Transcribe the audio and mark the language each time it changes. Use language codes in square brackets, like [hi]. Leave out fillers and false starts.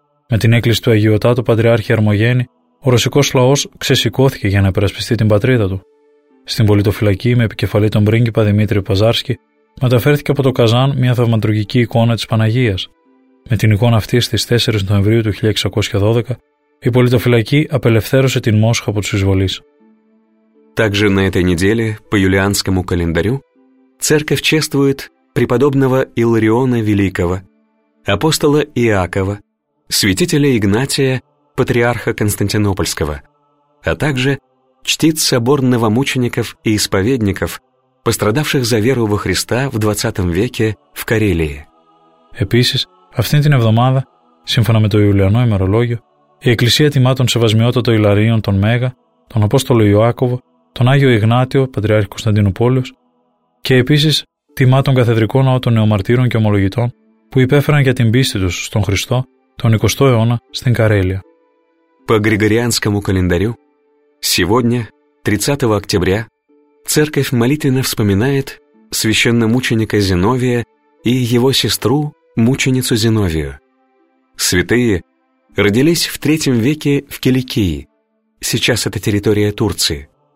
[el] Με την έκκληση του Αγιωτάτου Πατριάρχη Ερμογέννη, ο ρωσικός λαός ξεσηκώθηκε για να υπερασπιστεί την πατρίδα του. Στην πολιτοφυλακή, με επικεφαλή τον πρίγκιπα Δημήτρη Παζάρσκι, μεταφέρθηκε από το Καζάν μια θαυματουργική εικόνα της Παναγίας. Με την εικόνα αυτή, στις 4 Νοεμβρίου του 1612, η πολιτοφυλακή απελευθέρωσε την Μόσχα από τους εισβολείς. [ru] Также на этой неделе, по юлианскому календарю, церковь чествует преподобного Илариона Великого, апостола Иакова, святителя Игнатия, патриарха Константинопольского, а также чтит собор новомучеников и исповедников, пострадавших за веру во Христа в 20 веке в Карелии. [el] Επίσης, αυτή την εβδομάδα, σύμφωνα με το Ιουλιανό ημερολόγιο, η Εκκλησία τιμά τον Σεβασμιότατο Ιλαρίον τον Μέγα, τον Απόστολο Ιωάκωβο, τον Άγιο Ιγνάτιο, Πατριάρχη Κωνσταντινούπολης, και επίσης τιμά τον καθεδρικό ναό των νεομαρτύρων και ομολογητών που υπέφεραν για την πίστη τους στον Χριστό τον 20ο αιώνα στην Καρέλια. [ru] По Григорианскому календарю, сегодня, 30 октября, церковь молитвенно вспоминает священномученика Зиновия и его сестру, мученицу Зиновию. Святые родились в 3 веке в Киликии, сейчас это территория Турции.